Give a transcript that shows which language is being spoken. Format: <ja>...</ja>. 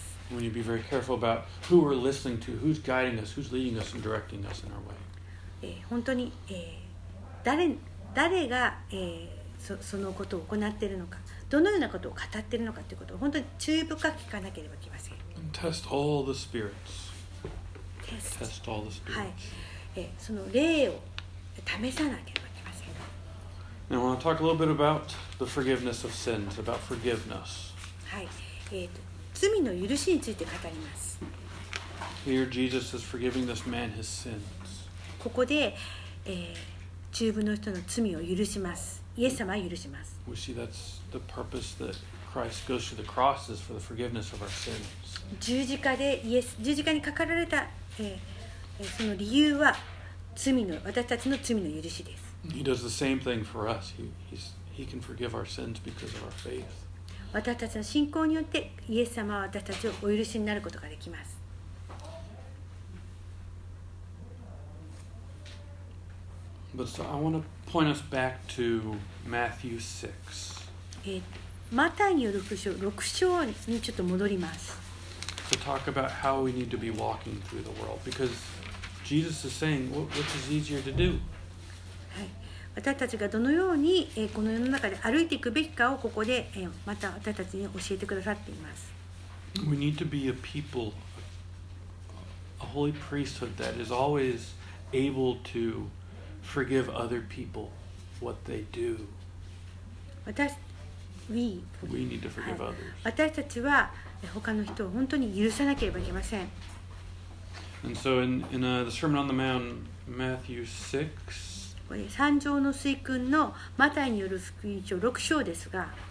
<en>We need to be very careful about who we're listening to, who's guiding us, who's leading us and directing us in our way.</en> <ja>本当に、誰が、そのことを行っているのか、どのようなことを語っているのかということを本当に注意深く聞かなければいけません。</ja> <en>Test all the spirits. Test all the spirits.</en> <ja>はい、その霊を試さなければいけません。</ja> <en>Now I want to talk a little bit about the forgiveness of sins, about forgiveness.</en> <ja>はい、罪の許しについて語ります。</ja> <en>Here Jesus is forgiving this man his sins.</en> <ja>ここで、中部の人の罪を許します。イエス様は許します。</ja> <en>We see that's the purpose that Christ goes to the cross is for the forgiveness of our sins.</en> <ja>十字架でイエス、十字架にかかられた、その理由は罪の私たちの罪の許しです。</ja> <en>He does the same thing for us. He can forgive our sins because of our faith.</en> <ja>私たちの信仰によってイエス様は私たちをお許しになることができます。</ja> <en>But so I want to point us back to Matthew 6.</en> <ja>マタイによる福音書6章にちょっと戻ります。</ja> <en>To talk about how we need to be walking through the world because Jesus is saying which is easier to do.</en> <ja>私たちがどのようにこの世の中で歩いていくべきかをここでまた私たちに教えてくださっています。</ja> <en>We need to be a people, a holy priesthood that is always able to forgive other people what they do. We need to forgive others.</en> <ja>私たちは他の人を本当に許さなければいけません。</ja> <en>And so in the Sermon on the Mount, Matthew 6,</en> <ja>これ三条の水訓のマタイによる福音書6章ですが</ja>